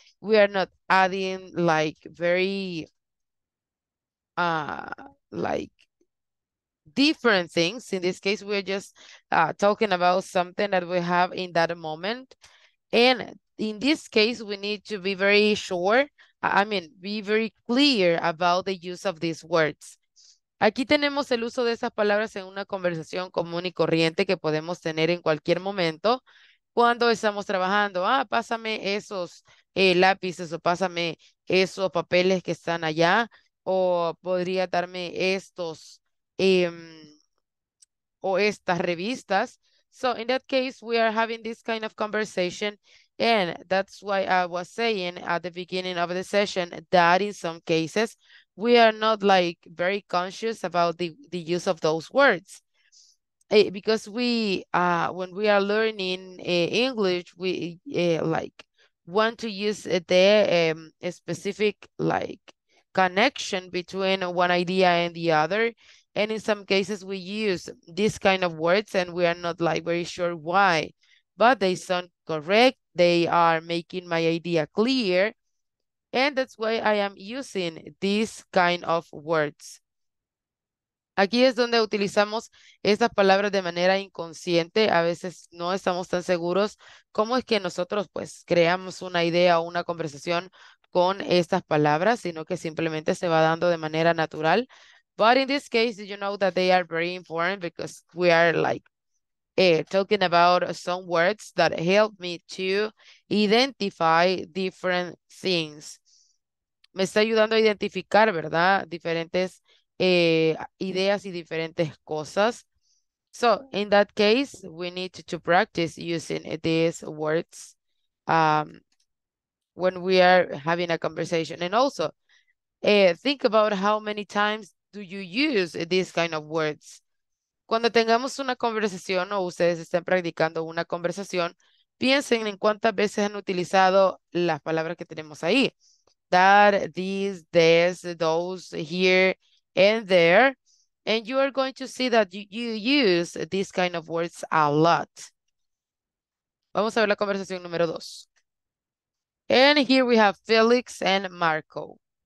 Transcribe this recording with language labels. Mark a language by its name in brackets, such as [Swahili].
[English] We are not adding like very like different things. In this case, we're just talking about something that we have in that moment. And in this case, we need to be very sure. I mean, be very clear about the use of these words. [Spanish] Aquí tenemos el uso de esas palabras en una conversación común y corriente que podemos tener en cualquier momento cuando estamos trabajando. Ah, pásame esos lápices o pásame esos papeles que están allá o podría darme estos o estas revistas. [English] So in that case, we are having this kind of conversation. And that's why I was saying at the beginning of the session that in some cases, we are not like very conscious about the use of those words. Because we, when we are learning English, we like want to use the a specific like connection between one idea and the other. And in some cases we use this kind of words and we are not like very sure why, but they sound correct. They are making my idea clear. And that's why I am using this kind of words. [Spanish] Aquí es donde utilizamos estas palabras de manera inconsciente. A veces no estamos tan seguros cómo es que nosotros pues creamos una idea o una conversación con estas palabras, sino que simplemente se va dando de manera natural. [English] But in this case, you know that they are very important because we are like, talking about some words that help me to identify different things. [Spanish] Me está ayudando a identificar, ¿verdad? Diferentes ideas y diferentes cosas. [English] So, in that case, we need to practice using these words when we are having a conversation. And also, think about how many times do you use these kind of words. [Spanish] Cuando tengamos una conversación o ustedes estén practicando una conversación, piensen en cuántas veces han utilizado las palabras que tenemos ahí. [English] That, these, this, those, here, and there. And you are going to see that you use these kind of words a lot. [Spanish] Vamos a ver la conversación número dos. [English] And here we have Felix and Marco.